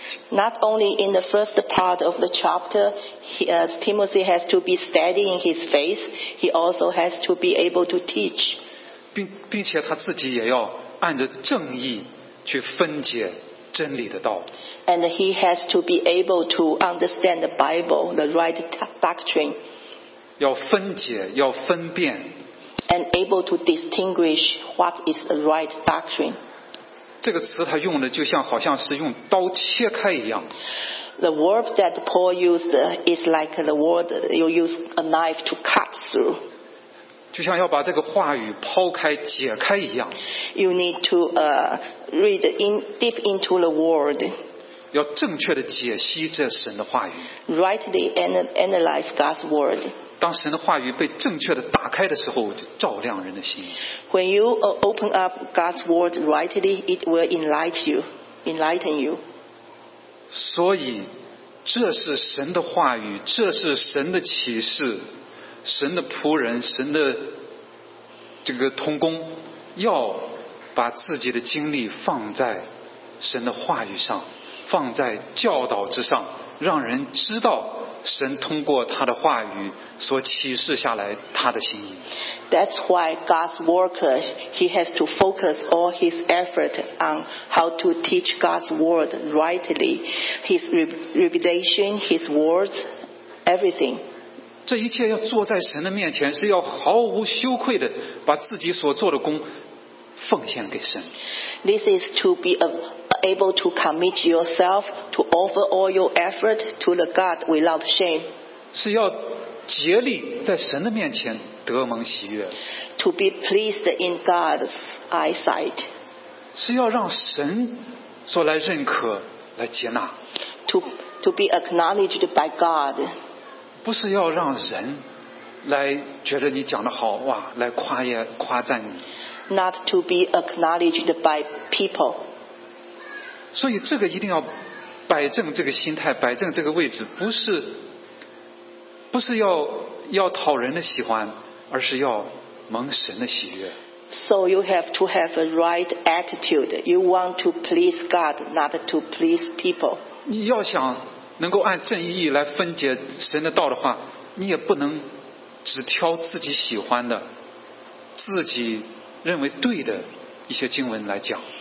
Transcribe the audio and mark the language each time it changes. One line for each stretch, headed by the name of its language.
English: Not only in the first part of the chapter, Timothy has to be steady in his faith. He also has to be able to teach.
Chinese: 并且他自己也要按着正义去分解真理的道。
English: And he has to be able to understand the Bible, the right doctrine.
Chinese: 要分解，要分辨。
English: And able to distinguish what is the right doctrine.
Chinese: 这个词他用的就像好像是用刀切开一样。
English: The word that Paul used is like the word you use a knife to cut through.
Chinese: 就像要把这个话语抛开解开一样。
English: You need to read in deep into the word.
Chinese: 要正确的解析这神的话语。
English: Rightly analyze God's word.
Chinese: 当神的话语被正确的打开的时候，就照亮人的心。
English: When you open up God's word rightly, it will enlighten you.
Chinese: 所以，这是神的话语，这是神的启示，神的仆人，神的这个同工，要把自己的精力放在神的话语上，放在教导之上，让人知道。神通过他的话语所启示下来他的心意。
English: That's why God's worker, he has to focus all his effort on how to teach God's word rightly, his reputation, his words, everything.
Chinese: 这一切要坐在神的面前，是要毫无羞愧的把自己所做的工奉献给神。
English: This is to be able to commit yourself to offer all your effort to the God without shame.
Chinese: 是要竭力在神的面前得蒙喜悦。
English: To be pleased in God's eyesight.
Chinese: 是要让神所来认可，来接纳。
English: To be acknowledged by God.
Chinese: 不是要让人来觉得你讲得好，哇，来夸赞你。
English: Not to be acknowledged by people.
Chinese: 所以这个一定要摆正这个心态，摆正这个位置，不是要讨人的喜欢，而是要蒙神的喜悦。
English: So you have to have a right attitude. You want to please God, not to please people.
Chinese: 你要想能够按正义来分解神的道的话，你也不能只挑自己喜欢的，自己认为对的一些经文来讲。